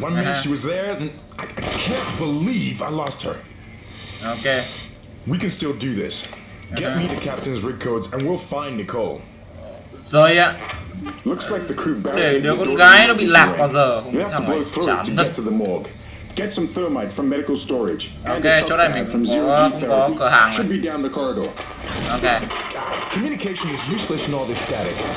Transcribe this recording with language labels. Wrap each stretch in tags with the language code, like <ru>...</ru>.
<en>One minute she was there, then I can't believe I lost her. Ok. We can still do this. Get me the captain's rig codes and we'll find Nicole.</en> <vi>Rồi ạ.</vi> <en>Looks like the crew barrier.</en> <vi>Đứa con gái nó bị lạc bao giờ không biết thằng ấy. Chán thật.</vi> <en>Get some thermite from medical storage.</en> <vi>Ok, chỗ này mình có cửa hàng này.</vi> <en>Down the corridor. Ok. Communication is useless in all this static.</en>